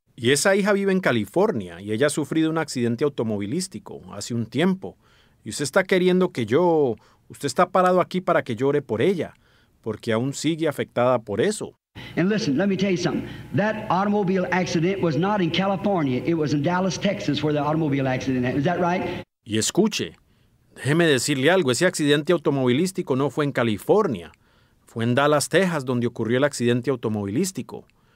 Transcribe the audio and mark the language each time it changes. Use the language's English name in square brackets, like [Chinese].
[Spanish] Y esa hija vive en California y ella ha sufrido un accidente automovilístico hace un tiempo. Y usted está queriendo que yo... Usted está parado aquí para que llore por ella, porque aún sigue afectada por eso. [English] And listen, let me tell you something. That automobile accident was not in California. It was in Dallas, Texas, where the automobile accident happened. Is that right? [Spanish] Y escuche, déjeme decirle algo. Ese accidente automovilístico no fue en California. Fue en Dallas, Texas, donde ocurrió el accidente automovilístico.